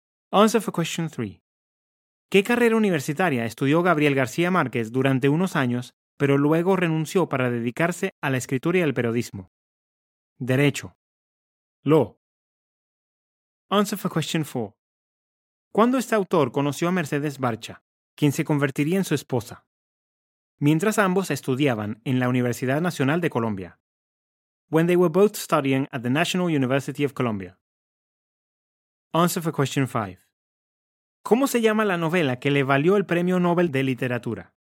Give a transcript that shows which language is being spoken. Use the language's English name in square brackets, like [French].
[English] Answer for question 3. [Spanish] ¿Qué carrera universitaria estudió Gabriel García Márquez durante unos años, pero luego renunció para dedicarse a la escritura y al periodismo? Derecho. [English] Law. Answer for question 4. [Spanish] ¿Cuándo este autor conoció a Mercedes Barcha, quien se convertiría en su esposa? Mientras ambos estudiaban en la Universidad Nacional de Colombia. [English] When they were both studying at the National University of Colombia. Answer for question 5. [Spanish] ¿Cómo se llama la novela que le valió el Premio Nobel de Literatura?